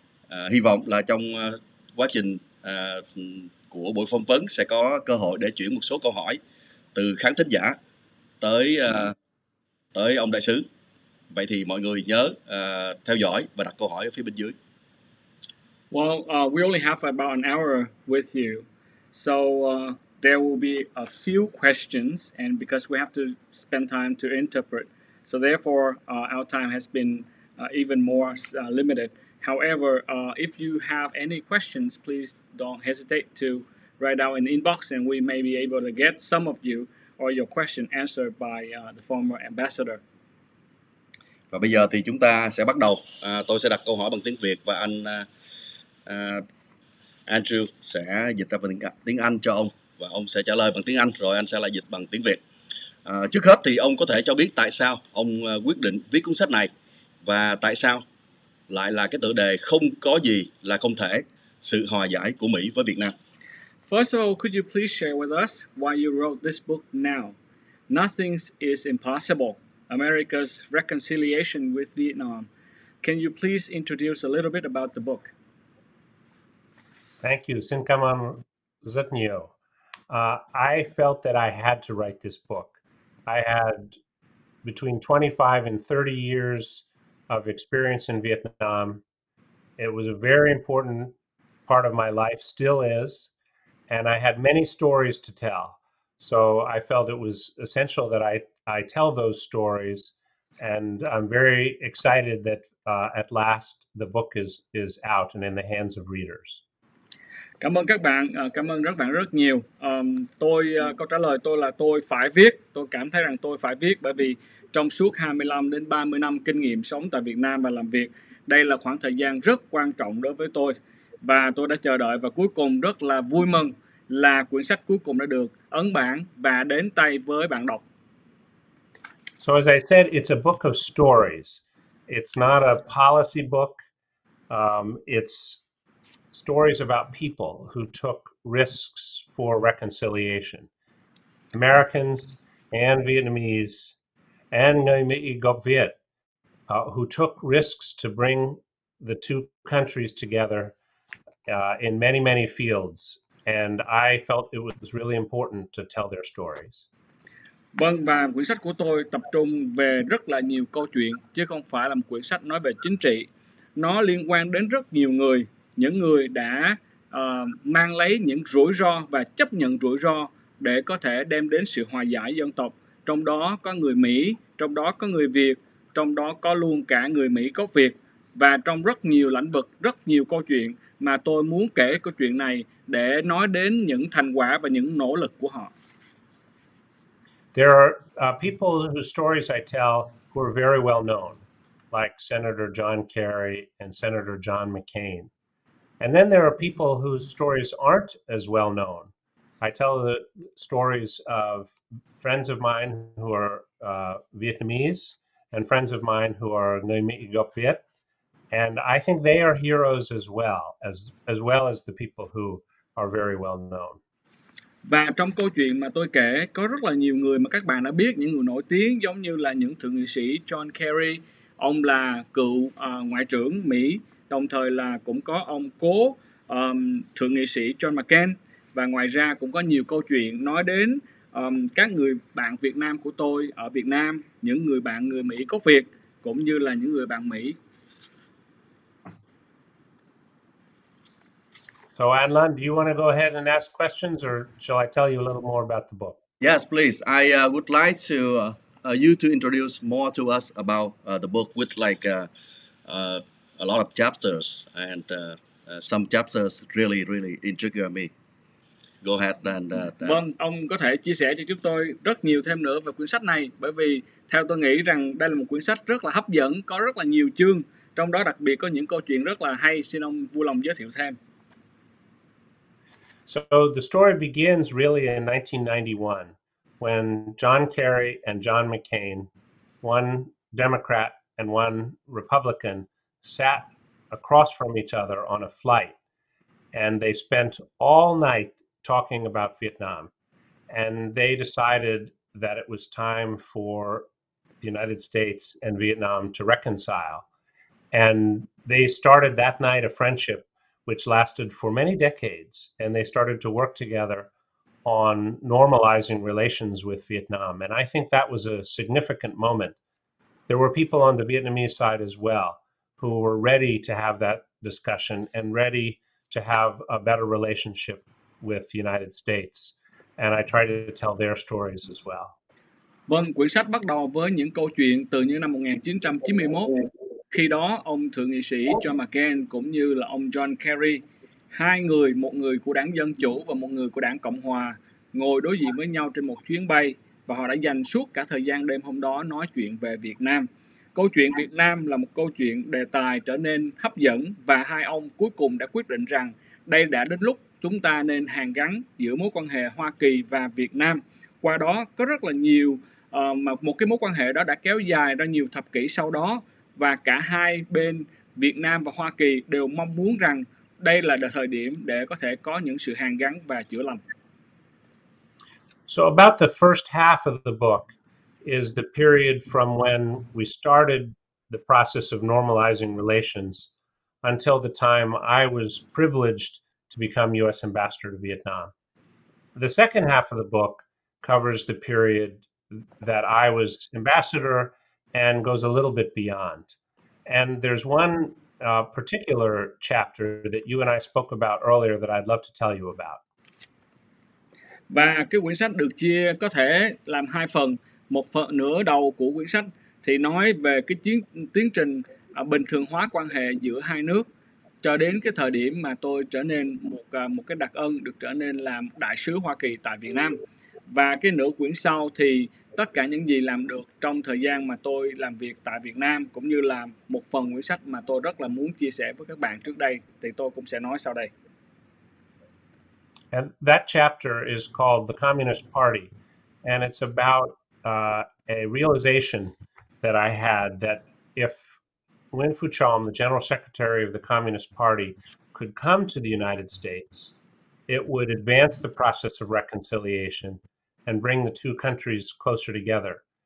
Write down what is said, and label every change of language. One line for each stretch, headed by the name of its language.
Vietnamese: Hy vọng là trong quá trình của buổi phỏng vấn sẽ có cơ hội để chuyển một số câu hỏi từ khán thính giả tới ông đại sứ. Vậy thì mọi người nhớ theo dõi và đặt câu hỏi ở phía bên dưới.
English: Well, we only have about an hour with you. So there will be a few questions, and because we have to spend time to interpret, so therefore our time has been even more limited. However, if you have any questions, please don't hesitate to write out in the inbox, and we may be able to get some of you or your question answered by the former ambassador.
Vietnamese: Và bây giờ thì chúng ta sẽ bắt đầu. Tôi sẽ đặt câu hỏi bằng tiếng Việt và anh Andrew sẽ dịch ra bằng tiếng Anh cho ông. Và ông sẽ trả lời bằng tiếng Anh, rồi anh sẽ lại dịch bằng tiếng Việt. Trước hết thì ông có thể cho biết tại sao ông quyết định viết cuốn sách này và tại sao lại là cái tựa đề Không có gì là không thể, sự hòa giải của Mỹ với Việt Nam.
English: First of all, could you please share with us why you wrote this book now? Nothing is impossible. America's reconciliation with Vietnam. Can you please introduce a little bit about the book? Thank you.
Vietnamese: Xin cảm ơn rất nhiều.
English: I felt that I had to write this book. I had between 25 and 30 years of experience in Vietnam. It was a very important part of my life, still is, and I had many stories to tell. So I felt it was essential that I tell those stories, and I'm very excited that at last the book is out and in the hands of readers.
Vietnamese: Cảm ơn các bạn, cảm ơn các bạn rất nhiều. Tôi có trả lời tôi là tôi phải viết, tôi cảm thấy rằng tôi phải viết bởi vì trong suốt 25 đến 30 năm kinh nghiệm sống tại Việt Nam và làm việc, đây là khoảng thời gian rất quan trọng đối với tôi và tôi đã chờ đợi và cuối cùng rất là vui mừng là quyển sách cuối cùng đã được ấn bản và đến tay với bạn đọc.
English: So as I said, it's a book of stories. It's not a policy book. It's stories about people who took risks for reconciliation. Americans and Vietnamese and
Vietnamese: Ngai Mi Gop Viet
English: who took risks to bring the two countries together in many, many fields. And I felt it was really important to tell their stories.
Vietnamese: Vâng, và quyển sách của tôi tập trung về rất là nhiều câu chuyện, chứ không phải là một quyển sách nói về chính trị. Nó liên quan đến rất nhiều người, những người đã mang lấy những rủi ro và chấp nhận rủi ro để có thể đem đến sự hòa giải dân tộc. Trong đó có người Mỹ, trong đó có người Việt, trong đó có luôn cả người Mỹ gốc Việt. Và trong rất nhiều lĩnh vực, rất nhiều câu chuyện mà tôi muốn kể câu chuyện này để nói đến những thành quả và những nỗ lực của họ.
English: There are people whose stories I tell who are very well known, like Senator John Kerry and Senator John McCain. And then there are people whose stories aren't as well known. I tell the stories of friends of mine who are Vietnamese and friends of mine who are
Vietnamese: người Mỹ gốc Việt.
English: And I think they are heroes as well as the people who are very well known.
Vietnamese: Và trong câu chuyện mà tôi kể có rất là nhiều người mà các bạn đã biết, những người nổi tiếng giống như là những thượng nghị sĩ John Kerry, ông là cựu ngoại trưởng Mỹ, đồng thời là cũng có ông cố thượng nghị sĩ John McCain, và ngoài ra cũng có nhiều câu chuyện nói đến các người bạn Việt Nam của tôi ở Việt Nam, những người bạn người Mỹ gốc Việt cũng như là những người bạn Mỹ.
English: So Anlan, do you want to go ahead and ask questions, or shall I tell you a little more about the book? Yes, please. I would like to you to introduce more to us about the book, with like a lot of chapters, and some chapters really, really intrigue me. Go ahead and.
Vietnamese: Vâng, ông có thể chia sẻ cho chúng tôi rất nhiều thêm nữa về quyển sách này, bởi vì theo tôi nghĩ rằng đây là một quyển sách rất là hấp dẫn, có rất là nhiều chương, trong đó đặc biệt có những câu chuyện rất là hay. Xin ông vui lòng giới thiệu thêm.
English: So the story begins really in 1991, when John Kerry and John McCain, one Democrat and one Republican, sat across from each other on a flight, and they spent all night talking about Vietnam, and they decided that it was time for the United States and Vietnam to reconcile, and they started that night a friendship which lasted for many decades, and they started to work together on normalizing relations with Vietnam. And I think that was a significant moment. There were people on the Vietnamese side as well who were ready to have that discussion and ready to have a better relationship with the United States. And I tried to tell their stories as well.
Vietnamese: Vâng, quyển sách bắt đầu với những câu chuyện từ những năm 1991. Khi đó, ông Thượng nghị sĩ John McCain cũng như là ông John Kerry, hai người, một người của đảng Dân Chủ và một người của đảng Cộng Hòa, ngồi đối diện với nhau trên một chuyến bay, và họ đã dành suốt cả thời gian đêm hôm đó nói chuyện về Việt Nam. Câu chuyện Việt Nam là một câu chuyện đề tài trở nên hấp dẫn, và hai ông cuối cùng đã quyết định rằng đây đã đến lúc chúng ta nên hàn gắn giữa mối quan hệ Hoa Kỳ và Việt Nam. Qua đó, có rất là nhiều, một cái mối quan hệ đó đã kéo dài ra nhiều thập kỷ sau đó, và cả hai bên Việt Nam và Hoa Kỳ đều mong muốn rằng đây là thời điểm để có thể có những sự hàn gắn và chữa lành.
English: So about the first half of the book is the period from when we started the process of normalizing relations until the time I was privileged to become U.S. ambassador to Vietnam. The second half of the book covers the period that I was ambassador and goes a little bit beyond. And there's one particular chapter that you and I spoke about earlier that I'd love to tell you about.
Vietnamese: Và cái quyển sách được chia có thể làm hai phần. Một phần nửa đầu của quyển sách thì nói về cái tiến trình bình thường hóa quan hệ giữa hai nước cho đến cái thời điểm mà tôi trở nên một cái đặc ân, được trở nên làm đại sứ Hoa Kỳ tại Việt Nam. Và cái nửa quyển sau thì tất cả những gì làm được trong thời gian mà tôi làm việc tại Việt Nam, cũng như là một phần quyển sách mà tôi rất là muốn chia sẻ với các bạn trước đây, thì tôi cũng sẽ nói sau đây.
English: And that chapter is called The Communist Party, and it's about a realization that I had that if Nguyễn Phú Trọng, the General Secretary of the Communist Party, could come to the United States, it would advance the process of reconciliation and bring the two countries closer together.